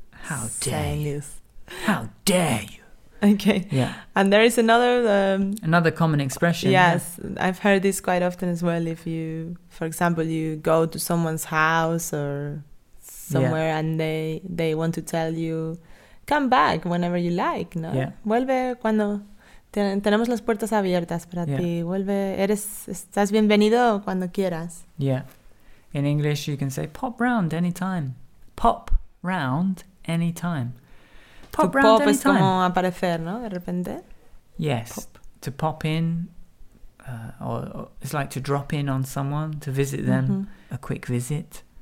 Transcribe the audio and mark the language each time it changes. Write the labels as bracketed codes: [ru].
[en] How dare you? How dare you? Okay. Yeah. And there is another. Another common expression. Yes. Yeah. I've heard this quite often as well. If you, for example, you go to someone's house or somewhere and they want to tell you, come back whenever you like, ¿no? Yeah. [es] Vuelve cuando tenemos las puertas abiertas para ti. Vuelve, estás bienvenido cuando quieras. [en] Yeah. In English, you can say pop round anytime. Pop round anytime. Pop round anytime. [es] Es como aparecer, ¿no? De repente. [en] Yes. Pop. To pop in. Or it's like to drop in on someone, to visit them, a quick visit.